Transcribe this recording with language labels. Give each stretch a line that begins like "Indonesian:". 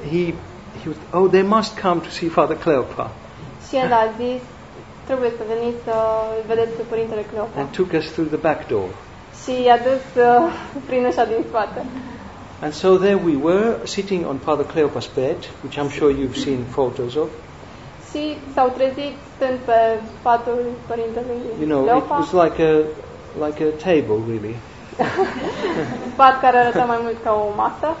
English: He was, oh, they must come to see Father Cleopa.
Romanian: Și el a zis, trebuie să veniți să vedeți pe părintele Cleopa.
English: And took us through the back door.
Romanian: Și i-a dus prin ușa din spate.
English: And so there we were, sitting on Father Cleopa's bed, which I'm sure you've seen photos of.
Romanian: Și s-au trezit stând pe patul părintelui Cleopa.
English: You know, it was like a table, really.
Romanian: Pat care arăta mai mult ca o masă.